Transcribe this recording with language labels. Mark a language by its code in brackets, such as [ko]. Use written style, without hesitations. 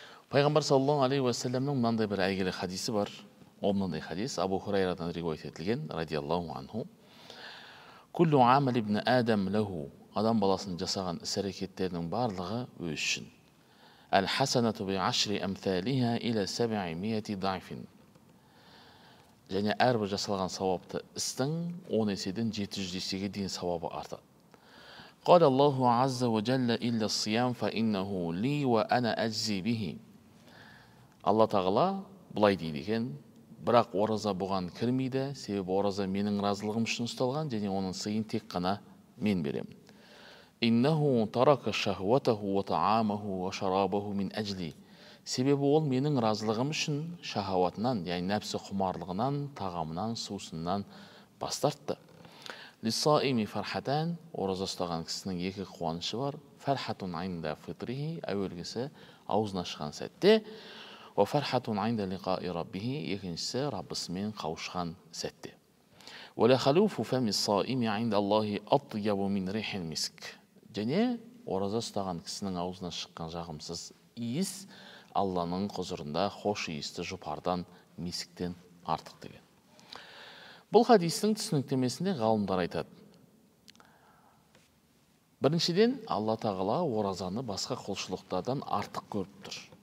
[kk] Пайғамбар саллаллаху алейхи ва саллямның мынандай бір әйгілі хадисі бар. Ол мынандай хадис Абу Хурайрадан риуайт етілген, радиаллаху анху: [ar] куллу амали ибн адам лаху, [kk] адам баласының жасаған іс әрекеттерінің барлығы өз үшін. [ar] الحسنه بعشر امثالها الى 700 ضعف. [kk] Және әрбір жасалған сауапты істің 10 еседен 700 есеге дейін сауабы артады. [ar] قال الله عز وجل الا الصيام فانه لي وانا اجزي به. [kk] Алла Тағала былай дейді екен: бірақ ораза бұған кірмейді, себебі ораза менің разылығым үшін ұсталған және оның сыйын тек қана мен беремін. [ar] إِنَّهُ تَرَكَ شَهْوَتَهُ وَطَعَامَهُ وَشَرَابَهُ مِنْ أَجْلِي. [kk] Себебі ол менің разылығым үшін шахауатынан, яғни нәпсі құмарлығынан, тағамынан, сусынан бас тартты. [ar] لِصَائِمِ فَرْحَتَان, [kk] ораза ұстаған кісінің екі қуанышы бар. [ar] فَرْحَةٌ عِنْدَ فِطْرِهِ, [kk] әуелгісі аузына шыққан сәтте. [ar] وَفَرْحَةٌ عِنْدَ لِقَاءِ رَبِّهِ, [kk] екіншісі Раббысымен қауышқан сәтте. [ar] ولخلوف فم الصائم عند الله اطيب من ريح المسك. [kk] Және ораза ұстаған кісінің аузына шыққан жағымсыз иіс Алланың құзырында хош иісті жұпардан, мисктен артық деген. Бұл хадистің түсініктемесінде ғалымдар айтады: Біріншіден, Алла Тағала оразаны басқа құлшылықтардан артық көріп тұр.